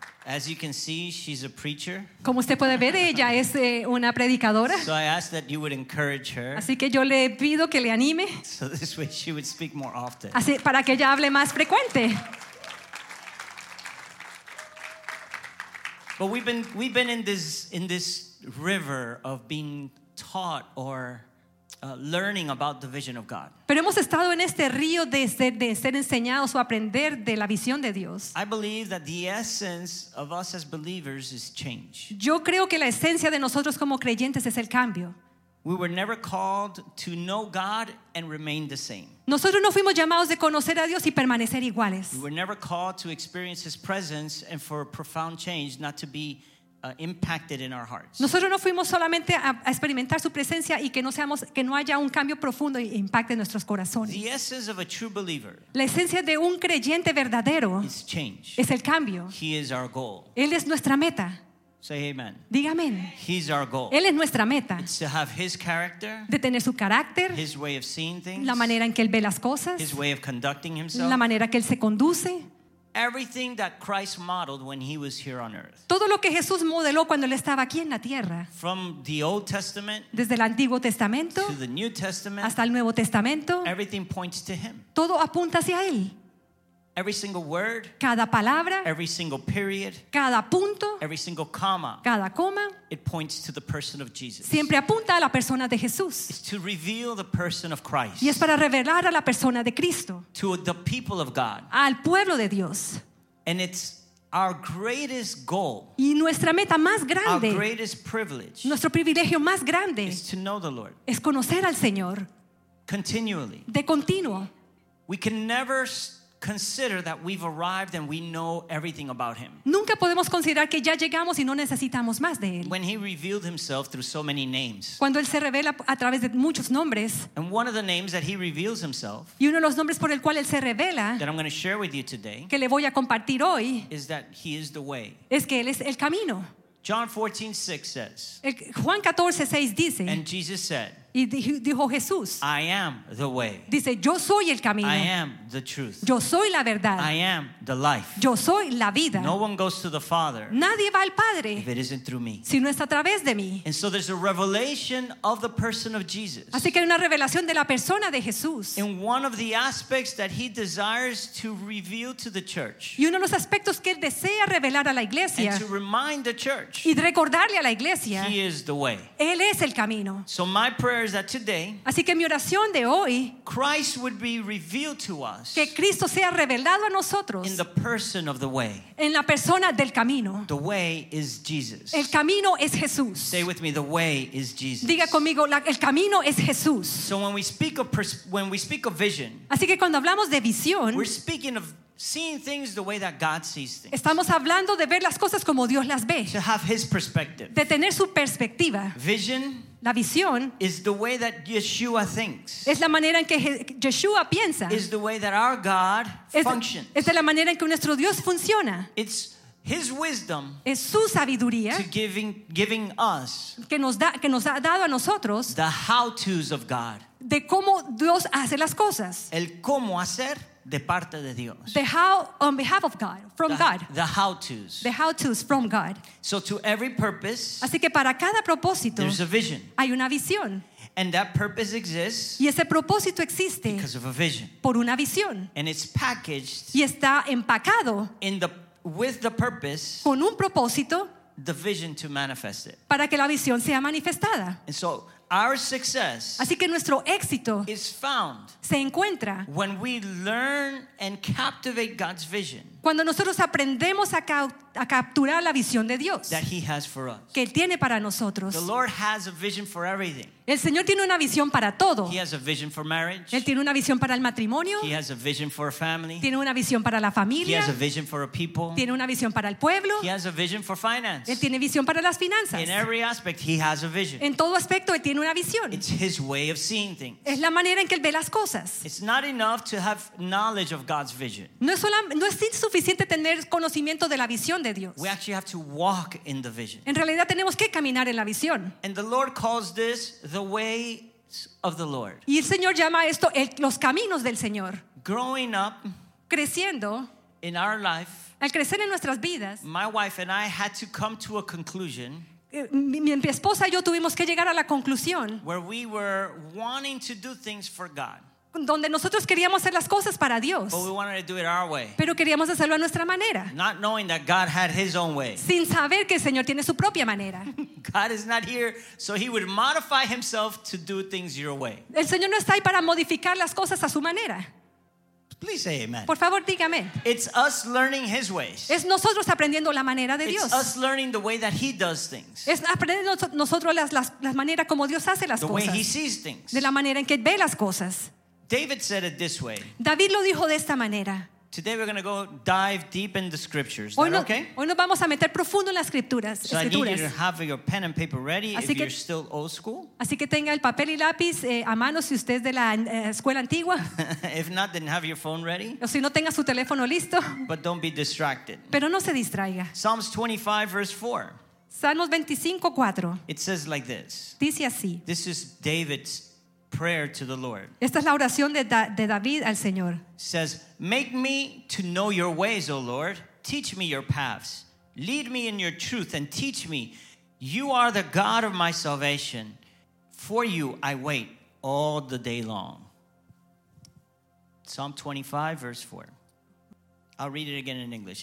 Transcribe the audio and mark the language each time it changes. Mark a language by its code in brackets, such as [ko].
[en] As you can see, she's a preacher. [es] Como usted puede ver, ella es una predicadora. [en] So I ask that you would encourage her. [es] Así que yo le pido que le anime. [en] So this way she would speak more often. [es] Así para que ella hable más frecuente. [en] But we've been in this river of being taught or learning about the vision of God. [es] Pero hemos estado en este río de ser enseñados o aprender de la visión de Dios. [en] I believe that the essence of us as believers is change. [es] Yo creo que la esencia de nosotros como creyentes es el cambio. [en] We were never called to know God and remain the same. [es] Nosotros no fuimos llamados de conocer a Dios y permanecer iguales. [en] We were never called to experience His presence and for a profound change, not to be impacted in our hearts. [es] Nosotros no fuimos solamente a experimentar su presencia y que no haya un cambio profundo y impacte nuestros corazones. [en] The essence of a true believer. [es] La esencia de un creyente verdadero [en] is change. [es] Es el cambio. [en] He is our goal. [es] Él es nuestra meta. [en] Say amen. [es] Diga amén. [en] He's our goal. [es] Él es nuestra meta. [en] It's to have his character. [es] De tener su carácter. [en] His way of seeing things. [es] La manera en que él ve las cosas. [en] His way of conducting himself. [es] La manera que él se conduce. [en] Everything that Christ modeled when he was here on earth. [es] Todo lo que Jesús modeló cuando él estaba aquí en la tierra. [en] From the Old Testament. [es] Desde el Antiguo Testamento. [en] To the New Testament. [es] Hasta el Nuevo Testamento. [en] Everything points to him. [es] Todo apunta hacia él. [en] Every single word, [es] cada palabra, [en] every single period, [es] cada punto, [en] every single comma, [es] cada coma, [en] it points to the person of Jesus. [es] Siempre apunta a la persona de Jesús. [en] It's to reveal the person of Christ. [es] Y es para revelar a la persona de Cristo. [en] To the people of God. [es] Al pueblo de Dios. [en] And it's our greatest goal. [es] Y nuestra meta más grande. [en] Our greatest privilege. [es] Nuestro privilegio más grande. [en] Is to know the Lord. [es] Es conocer al Señor. [en] Continually. [es] De continuo. [en] We can never consider that we've arrived and we know everything about him. [es] Nunca podemos considerar que ya llegamos y no necesitamos más de él. [en] When he revealed himself through so many names. [es] Cuando él se revela a través de muchos nombres. [en] And one of the names that he reveals himself. [es] Y uno de los nombres por el cual él se revela. [en] That I'm going to share with you today. [es] Que le voy a compartir hoy. [en] Is that he is the way. [es] Es que él es el camino. [en] John 14:6 says. [es] Juan 14:6 dice. [en] And Jesus said. [es] Y dijo Jesús. [en] I am the way. [es] Dice, yo soy el camino. [en] I am the truth. [es] Yo soy la verdad. [en] I am the life. [es] Yo soy la vida. [en] No one goes to the Father. [es] Nadie va al Padre. [en] If it isn't through me. [es] Si no es a través de mí. [en] And so there's a revelation of the person of Jesus. [es] Así que hay una revelación de la persona de Jesús. [en] In one of the aspects that he desires to reveal to the church. [es] Y uno de los aspectos que él desea revelar a la iglesia. [en] And to remind the church. [es] Y recordarle a la iglesia. [en] He is the way. [es] Él es el camino. [en] So my prayer is that today, [es] así que mi oración de hoy, [en] Christ would be revealed to us, [es] que Cristo sea revelado a nosotros, [en] in the person of the way, [es] en la persona del camino. [en] The way is Jesus. [es] El camino es Jesús. [en] Say with me, the way is Jesus. [es] Diga conmigo, el camino es Jesús. [en] So when we speak of vision, [es] así que cuando hablamos de visión, [en] we're speaking of seeing things the way that God sees things. [es] Estamos hablando de ver las cosas como Dios las ve. [en] To have His perspective. [es] De tener su perspectiva. [en] Vision. [es] La visión [en] is the way that Yeshua thinks. [es] Es la manera en que Yeshua piensa. [en] Is the way that our God functions. [es] Es de la manera en que nuestro Dios funciona. [en] It's His wisdom. [es] Es su sabiduría. [en] To giving us. [es] Que nos ha dado a nosotros. [en] The how to's of God. [es] De cómo Dios hace las cosas. El cómo hacer de parte de Dios. [en] The how on behalf of God, from God. The how to's. The how to's from God. So to every purpose. [es] Así que para cada propósito. [en] There's a vision. [es] Hay una visión. [en] And that purpose exists. [es] Y ese propósito existe. [en] Because of a vision. [es] Por una visión. [en] And it's packaged. [es] Y está empacado. [en] With the purpose. [es] Con un propósito. [en] The vision to manifest it. [es] Para que la visión sea manifestada. [en] And so our success, [es] así que nuestro éxito, [en] is found, [es] se encuentra, [en] when we learn and captivate God's vision, [es] cuando nosotros aprendemos a capturar la visión de Dios, [en] that He has for us, [es] que Él tiene para nosotros. [en] The Lord has a vision for everything. [es] El Señor tiene una visión para todo. [en] He has a vision for marriage. [es] Él tiene una visión para el matrimonio. [en] He has a vision for a family. [es] Tiene una visión para la familia. [en] He has a vision for a people. [es] Tiene una visión para el pueblo. [en] He has a vision for finance. [es] Él tiene visión para las finanzas. [en] In every aspect, He has a vision. [es] En todo aspecto, Él tiene una visión. [en] It's His way of seeing things. [es] Es la manera en que Él ve las cosas. [en] It's not enough to have knowledge of God's vision. [es] No es suficiente tener conocimiento de la visión de Dios. [en] We actually have to walk in the vision. [es] En realidad, tenemos que caminar en la visión. [en] And the Lord calls this the way of the Lord. [es] Y el Señor llama esto los caminos del Señor. [en] Growing up, [es] creciendo, [en] in our life, [es] al crecer en nuestras vidas, [en] my wife and I had to come to a conclusion. [es] Mi esposa y yo tuvimos que llegar a la conclusión. [en] Where we were wanting to do things for God. [es] donde nosotros queríamos hacer las cosas para Dios, [en] but we wanted to do it our way. [es] Pero queríamos hacerlo a nuestra manera, [en] not knowing that God had his own way. [es] Sin saber que el Señor tiene su propia manera. [en] God is not here so he would modify himself to do things your way. [es] El Señor no está ahí para modificar las cosas a su manera. [en] Please say amen. [es] Por favor, dígame. [en] It's us learning his ways. [es] Es nosotros aprendiendo la manera de Dios. [en] It's us learning the way that he does things. [es] Es aprendiendo nosotros las maneras como Dios hace las [en] the [es] cosas. [en] The way he sees things. [es] De la manera en que ve las cosas. [en] David said it this way. [es] David lo dijo de esta manera. [en] Today we're going to go dive deep in the scriptures. [es] Hoy [en] no, okay? [es] Hoy nos vamos a meter profundo en las escrituras. [en] So I need you to have your pen and paper ready [es] así [en] if [es] que, [en] you're still old school. [es] Así que tenga el papel y lápiz a mano si usted es de la escuela antigua. [en] If not, then have your phone ready. [es] O si no, tenga su teléfono listo. [en] But don't be distracted. [es] Pero no se distraiga. [en] Psalms 25 verse 4. [es] Salmos 25:4. [en] It says like this. [es] Dice así. [en] This is David's prayer to the Lord. [es] Esta es la oración de David al Señor. [en] Says, make me to know your ways, O Lord. Teach me your paths. Lead me in your truth and teach me. You are the God of my salvation. For you I wait all the day long. Psalm 25, verse 4. I'll read it again in English.